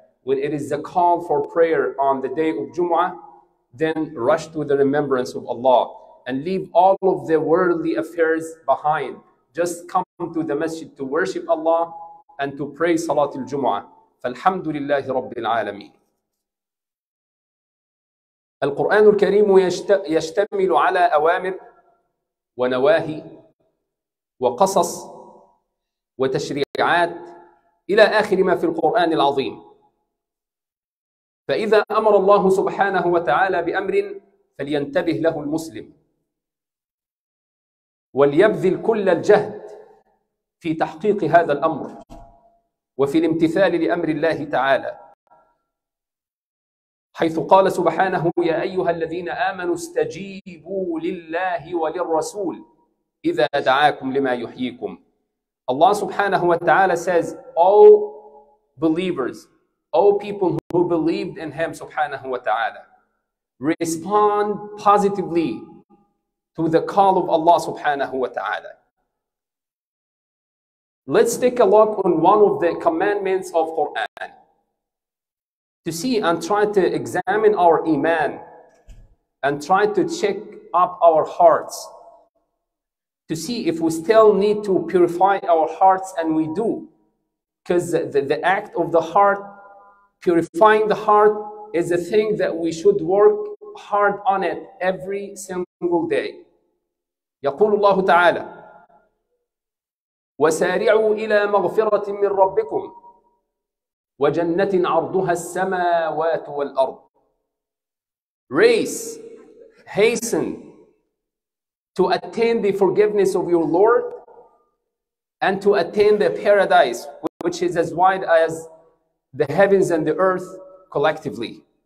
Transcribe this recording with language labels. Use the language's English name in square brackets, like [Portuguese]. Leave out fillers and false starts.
[English] When it is the call for prayer on the day of Jumu'ah, then rush to the remembrance of Allah and leave all of the worldly affairs behind. Just come to the masjid to worship Allah and to pray Salat al-Jumu'ah. [Arabic] فَالْحَمْدُ لِلَّهِ رَبِّ الْعَالَمِينَ. القرآن الكريم يشتمل على أوامر ونواهي وقصص وتشريعات إلى آخر ما في القرآن العظيم. فإذا أمر الله سبحانه وتعالى بأمر فلينتبه له المسلم وليبذل كل الجهد في تحقيق هذا الأمر وفي الامتثال لأمر الله تعالى، حيث قال سبحانه: يا أيها الذين آمنوا استجيبوا لله وللرسول إذا دعاكم لما يحييكم. الله سبحانه وتعالى [English] says: all believers, all people who believed in him سبحانه وتعالى, respond positively to the call of Allah سبحانه وتعالى. Let's take a look on one of the commandments of Quran to see and try to examine our iman and try to check up our hearts to see if we still need to purify our hearts, and we do, because the act of the heart, purifying the heart, is a thing that we should work hard on it every single day. [Arabic] يقول الله تعالى: وسارعوا إلى مغفرة من ربكم وجنة عرضها السماوات والأرض. [English] Race, hasten to attain the forgiveness of your Lord and to attain the paradise, which is as wide as the heavens and the earth collectively.